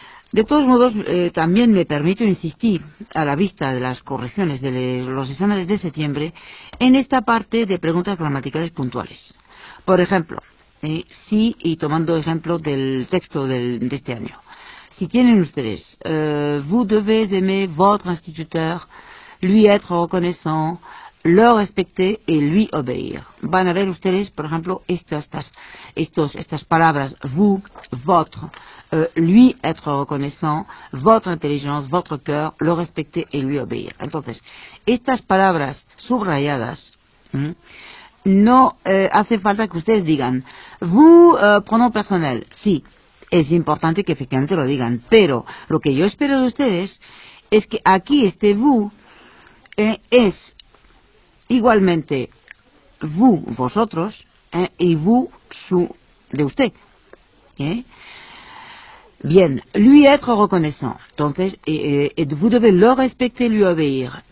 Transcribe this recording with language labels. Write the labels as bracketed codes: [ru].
[es] De todos modos, también me permito insistir, a la vista de las correcciones de los exámenes de septiembre, en esta parte de preguntas gramaticales puntuales. Por ejemplo, y tomando ejemplo del texto de este año. Si tienen ustedes, [fr] vous devez aimer votre instituteur, lui être reconnaissant, le respecter et lui obéir. [es] Van a ver ustedes, por ejemplo, estas palabras, [fr] vous, votre, lui être reconnaissant, votre intelligence, votre cœur, le respecter et lui obéir. [es] Entonces, estas palabras subrayadas, no hace falta que ustedes digan, [fr] vous, pronom personnel, [es] sí. Es importante que efectivamente lo digan, pero lo que yo espero de ustedes es que aquí este vous es igualmente vous, vosotros, y vous, su, de usted. [fr] Bien, lui être reconnaissant. Entonces, vous devez le respecter, lui obéir.